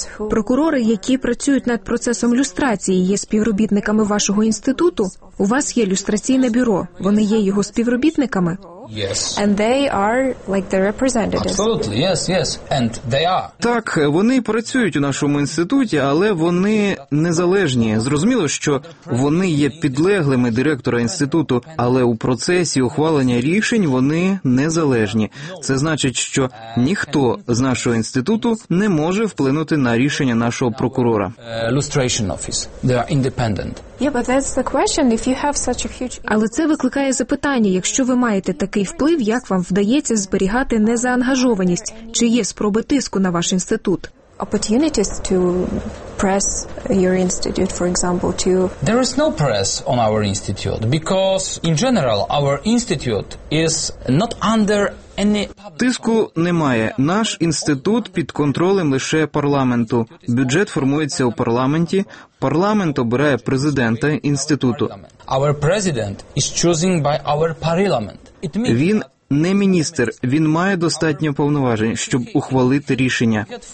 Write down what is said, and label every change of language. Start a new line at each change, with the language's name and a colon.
Ukrainian: Прокурори, які працюють над процесом люстрації, є співробітниками вашого інституту? У вас є люстраційне бюро, вони є його співробітниками?
English: Yes. And they are like the representatives. Absolutely. Yes, and they are.
Ukrainian: Так, вони працюють у нашому інституті, але вони незалежні. Зрозуміло, що вони є підлеглими директора інституту, але у процесі ухвалення рішень вони незалежні. Це значить, що ніхто з нашого інституту не може вплинути на рішення нашого прокурора.
English: Lustration office. They are independent. Yeah, but that's the question if you have such a huge.
Ukrainian: Але це викликає запитання, якщо ви маєте такий вплив, як вам вдається зберігати незаангажованість? Чи є спроби тиску на ваш інститут?
English: Opportunities to press your institute, for example, to. There is no press on our institute because in general our institute is not under.
Ukrainian: Тиску немає. Наш інститут під контролем лише парламенту. Бюджет формується у парламенті. Парламент обирає президента інституту.
English: Our president is chosen by our parliament.
Ukrainian: Він не міністр, він має достатньо повноважень, щоб ухвалити рішення.